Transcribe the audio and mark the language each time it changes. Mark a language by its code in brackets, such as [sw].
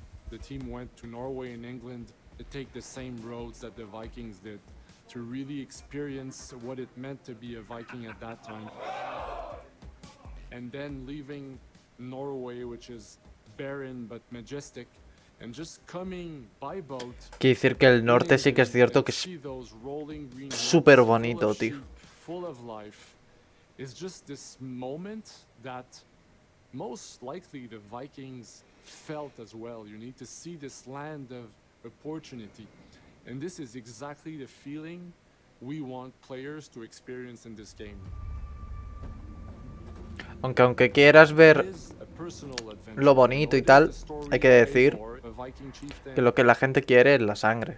[en] The team went to Norway and England to take the same roads that the Vikings did, to really experience what it meant to be a Viking at that time. And then leaving Norway, which is barren but majestic, and just coming by boat. [es] Quiere decir que el norte sí que es cierto que es súper bonito, tío. [en] Full of life. It's just this moment that most likely the Vikings felt as well. You need to see this land of opportunity. And this is exactly the feeling we want players to experience in this game. [es] Aunque quieras ver lo bonito y tal, hay que decir que lo que la gente quiere es la sangre.